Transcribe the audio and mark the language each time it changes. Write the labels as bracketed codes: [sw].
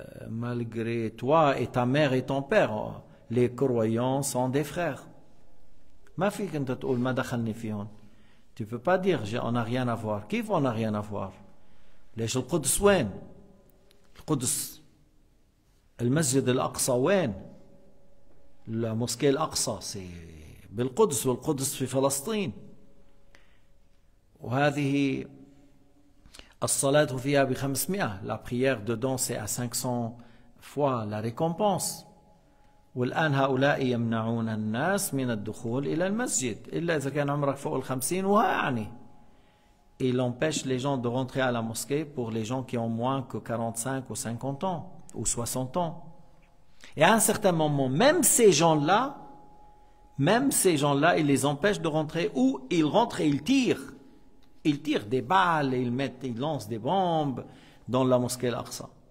[fr] Malgré toi et ta mère et ton père, les croyants sont des frères. Ma fille, quand tu ou madakhan, tu ne peux pas dire, on n'a rien à voir. Qui on n'a rien à voir? Les gens qui soignent. [ar] القدس المسجد الأقصى وين؟ المسجد الأقصى بالقدس والقدس في فلسطين وهذه الصلاة فيها بخمسمائة [fr] la prière dedans c'est à 500 fois la récompense [ar] والآن هؤلاء يمنعون الناس من الدخول إلى المسجد إلا إذا كان عمرك فوق الخمسين وهاعني [fr] Il empêche les gens de rentrer à la mosquée pour les gens qui ont moins que 45 ou 50 ans ou 60 ans. Et à un certain moment, même ces gens-là, ils les empêchent de rentrer où ils rentrent et ils tirent. Ils tirent des balles, ils lancent des bombes dans la mosquée Al-Aqsa.